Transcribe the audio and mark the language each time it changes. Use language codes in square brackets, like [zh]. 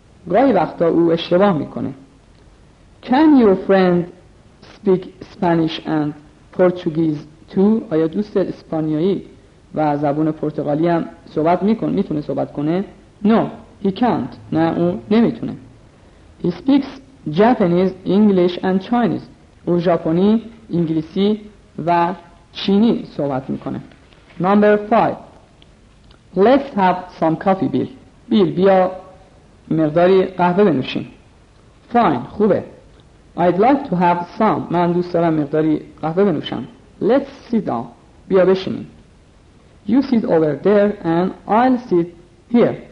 [fa] گاهی وقتا او اشتباه میکنه. [en] Can your friend speak Spanish and Portuguese too? [fa] آیا دوست اسپانیایی و زبان پرتغالی هم صحبت میکنه؟ میتونه صحبت کنه؟ [en] No, he can't. [fa] نه او نمیتونه. [en] He speaks Japanese, English and Chinese. [fa] او ژاپنی، انگلیسی و چینی صحبت میکنه. [en] Number 5. Let's have some coffee, Bill. [fa] Bill, بیا مقداری قهوه بنوشیم. [en] Fine, خوبه. I'd like to have some. [fa] من دوست دارم مقداری قهوه بنوشم. [en] Let's sit down. [fa] بیا بشینیم. [en] You sit over there and I'll sit here.